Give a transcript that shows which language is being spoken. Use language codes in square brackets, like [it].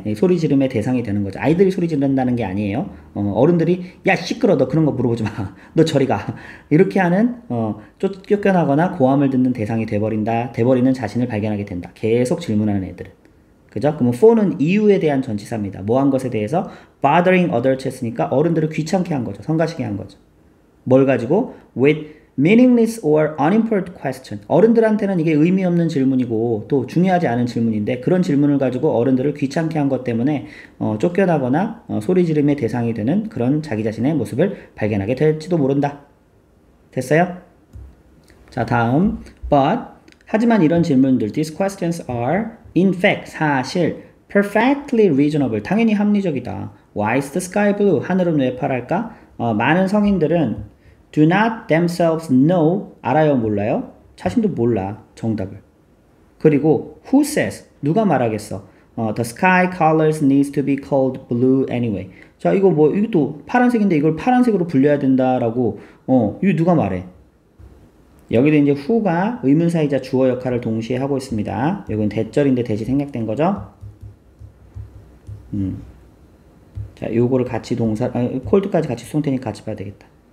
[ko] 소리 지름의 대상이 되는 거죠. 아이들이 소리 지른다는 게 아니에요. 어른들이, 야, 시끄러, 너 그런 거 물어보지 마. 너 저리 가. 이렇게 하는, 쫓겨나거나 고함을 듣는 대상이 돼버린다. 돼버리는 자신을 발견하게 된다. 계속 질문하는 애들은. 그죠? 그러면 for는 이유에 대한 전치사입니다. 뭐한 것에 대해서 bothering others 했으니까 어른들을 귀찮게 한 거죠. 성가시게 한 거죠. 뭘 가지고? [en] with meaningless or unimportant question. [ko] 어른들한테는 이게 의미 없는 질문이고 또 중요하지 않은 질문인데 그런 질문을 가지고 어른들을 귀찮게 한것 때문에 쫓겨나거나 소리 지름의 대상이 되는 그런 자기 자신의 모습을 발견하게 될지도 모른다. 됐어요? 자, 다음. [en] but 하지만 이런 질문들, these questions are In fact, 사실, perfectly reasonable, 당연히 합리적이다. Why is the sky blue? 하늘은 왜 파랄까? [ko] 많은 성인들은 do not themselves know, 알아요, 몰라요? 자신도 몰라, 정답을. 그리고 who says, 누가 말하겠어? [en] The sky colors needs to be called blue anyway. [ko] 자, 이거 뭐, 이것도 파란색인데 이걸 파란색으로 불려야 된다라고, 이거 누가 말해? 여기도 이제 who가 의문사이자 주어 역할을 동시에 하고 있습니다. 여기는 대절인데 대시 생략된 거죠. 자, 요거를 같이 동사, 콜드까지 같이 수동태니 같이 봐야 되겠다.